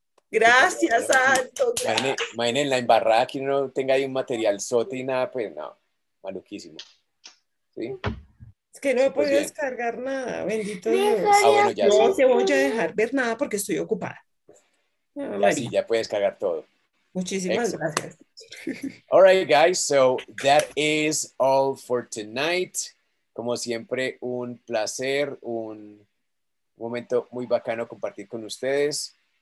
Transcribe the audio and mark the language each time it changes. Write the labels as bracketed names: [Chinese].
[Spanish] Gracias, Alto. Imaginen la embarrada que no tenga ahí un material sote y nada, pues no, maluquísimo. ¿Sí? Es que no he podido descargar nada, bendito Dios. Ah, bueno, ya no sí. Te voy a dejar ver nada porque estoy ocupada. Así ya puedes cargar todo. Muchísimas gracias. [English] All right, guys, so that is all for tonight. [Spanish] Como siempre, un placer, un momento muy bacano compartir con ustedes.